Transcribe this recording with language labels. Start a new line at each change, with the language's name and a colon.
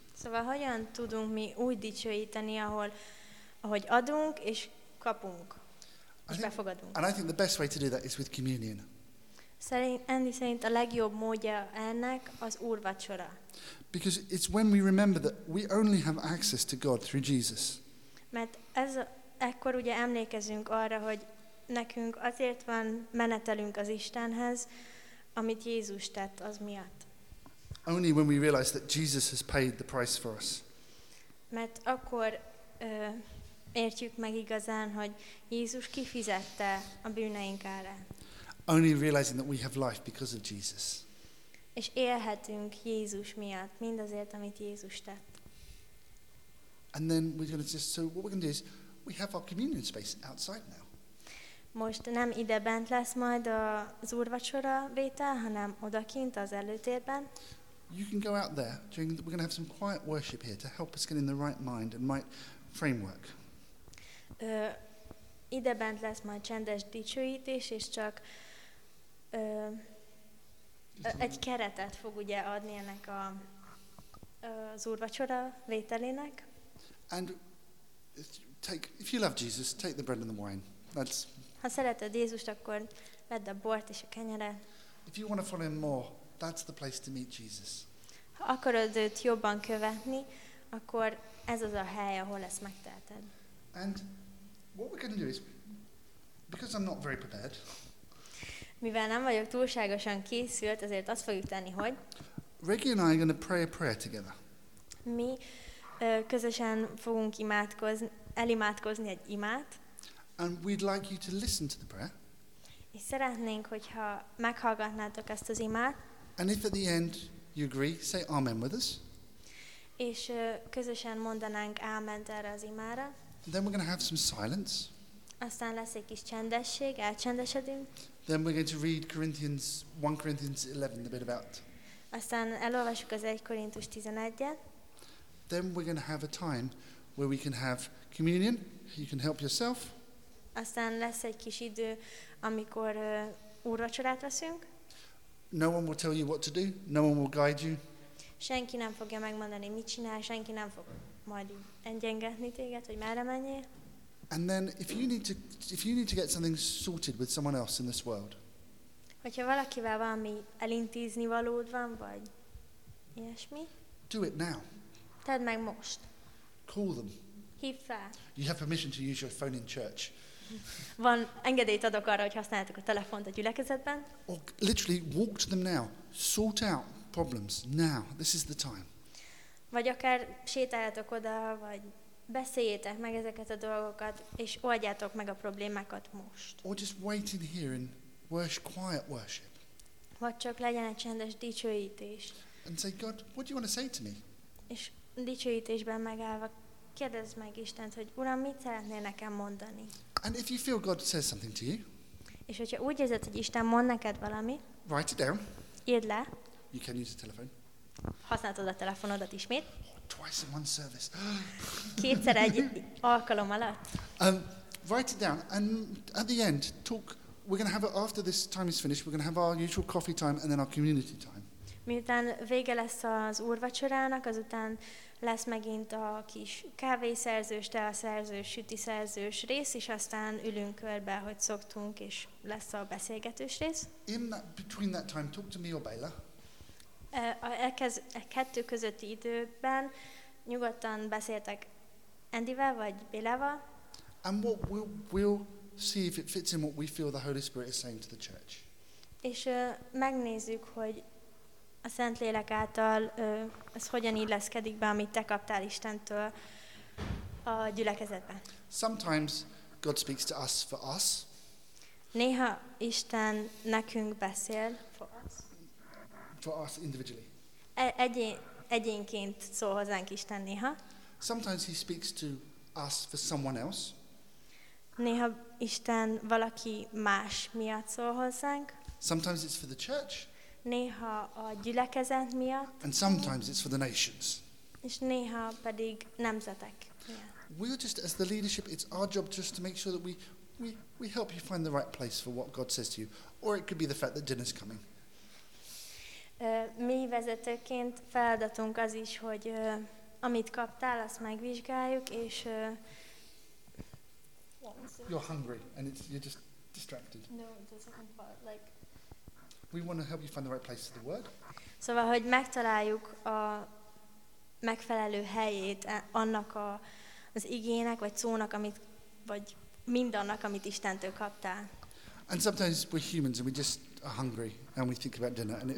Hungarian: Szóval hogyan tudunk mi úgy dicsőíteni, ahogy adunk és kapunk? És befogadunk.
English: And I think the best way to do that is with communion.
Hungarian: Szerint a legjobb módja ennek az úrvacsora.
English: Because it's when we remember that we only have access to God through Jesus.
Hungarian: Mert ez ekkor ugye emlékezünk arra, hogy nekünk azért van menetelünk az Istenhez, amit Jézus tett az miatt.
English: Only when we realize that Jesus has paid the price for us.
Hungarian: Mert akkor értjük meg igazán, hogy Jézus kifizette a bűneink árát.
English: Only realizing that we have life because of Jesus.
Hungarian: És élhetünk Jézus miatt, mindazért, amit Jézus tett.
English: And then we're going to just, so what we're going to do is, we have our communion space outside now.
Hungarian: Most nem ide bent lesz majd az úrvacsora vétel, hanem odakint az előtérben.
English: You can go out there. We're going to have some quiet worship here to help us get in the right mind and right framework.
Hungarian: Ide bent lesz majd csendes dicsőítés, és csak Egy keretet fog ugye adni ennek a az úrvacsora vételének.
English: And take, if you love Jesus, take the bread and the wine. That's.
Hungarian: Ha szereted Jézust, akkor vedd a bort és a kenyeret.
English: If you want to follow him more, that's the place to meet Jesus.
Hungarian: Ha akarod őt jobban követni, akkor ez az a hely, ahol ezt megteheted.
English: And what we're going to do is, because I'm not very prepared.
Hungarian: Mivel nem vagyok túlságosan készült, ezért azt fogjuk tenni, hogy
English: Reggie and I are going to pray a prayer together.
Hungarian: Mi közösen fogunk imádkozni, elimádkozni egy imát.
English: And we'd like you to listen to the prayer.
Hungarian: És szeretnénk, hogyha meghallgatnátok ezt az imát.
English: And if at the end you agree, say amen with us.
Hungarian: És közösen mondanánk áment erre az imára.
English: Then we're going to have some silence.
Hungarian: Aztán lesz egy kis csendesség, elcsendesedünk.
English: Then we're going to read Corinthians 1 Corinthians 11 a bit about.
Hungarian: Aztán elolvassuk az 1 Korintus 11-et.
English: Then we're going to have a time where we can have communion. You can help yourself.
Hungarian: Aztán lesz egy kis idő, amikor úrvacsorát veszünk.
English: No one will tell you what to do. No one will guide you.
Hungarian: Senki nem fogja megmondani, mit csinál, senki nem fog majd engyengetni téged, hogy merre menjél.
English: And then if you need to get something sorted with someone else in this world.
Hungarian: Hogyha valakivel valami elintézni valód van, vagy ilyesmi.
English: Do it now.
Hungarian: Tedd meg most.
English: Call them.
Hungarian: Hívd fel.
English: You have permission to use your phone in church.
Hungarian: Van engedélyt adok arra, hogy használjátok a telefont a gyülekezetben.
English: Or literally walk to them now. Sort out problems now. This is the time.
Hungarian: Vagy akár sétáljátok oda, vagy beszéljétek meg ezeket a dolgokat, és oldjátok meg a problémákat most.
English: Or just wait in here and worship, quiet worship.
Hungarian: Vagy csak legyen egy csendes dicsőítés.
English: And say, God, what do you want to say to me?
Hungarian: És dicsőítésben megállva kérdezz meg Istent, hogy Uram, mit szeretnél nekem mondani?
English: And if you feel God says something to you,
Hungarian: és hogyha úgy érzed, hogy Isten mond neked valami,
English: write it down.
Hungarian: Írd le.
English: You can use a telephone.
Hungarian: Használtad a telefonodat ismét.
English: Twice in one service.
Hungarian: Kétszer egy alkalom alatt.
English: Write it down and at the end talk. We're going to have it after this time is finished. We're going to have our usual coffee time and then our community time.
Hungarian: Miután vége lesz az úrvacsorának, azután lesz megint a kis kávészerzős, teaszerzős, sütiszerzős rész, és aztán ülünk körbe, hogy szoktunk, és lesz a beszélgetős rész.
English: In that, between that time, talk to me or Béla.
Hungarian: A kettő közötti időben nyugodtan beszéltek Andyvel vagy Bélával.
English: And what we'll see if it fits in what we feel the Holy Spirit is saying to the church.
Hungarian: És megnézzük, hogy a Szentlélek által ez hogyan illeszkedik be, amit te kaptál Istentől a gyülekezetben.
English: Sometimes God speaks to us for us.
Hungarian: Néha Isten nekünk beszél.
English: For us. For us individually.
Hungarian: Egyénként szól hozzánk Isten néha.
English: Sometimes he speaks to us for someone else.
Hungarian: Néha Isten valaki más miatt szól hozzánk.
English: Sometimes it's for the church.
Hungarian: Néha a gyülekezet miatt.
English: And sometimes it's for the nations.
Hungarian: És néha pedig nemzetek.
English: Yeah. We're just as the leadership, it's our job just to make sure that we help you find the right place for what God says to you, or it could be the fact that dinner's coming.
Hungarian: Mi vezetőként feladatunk az is, hogy amit kaptál, azt megvizsgáljuk, és
English: you're hungry and you're just distracted. No, the second part, like we want to help you find the right place to the word.
Hungarian: Szóval, hogy megtaláljuk a megfelelő helyét annak az igének vagy szónak, amit vagy mindannak, amit Istentől kaptál.
English: And sometimes we're humans and we just are hungry and we think about dinner and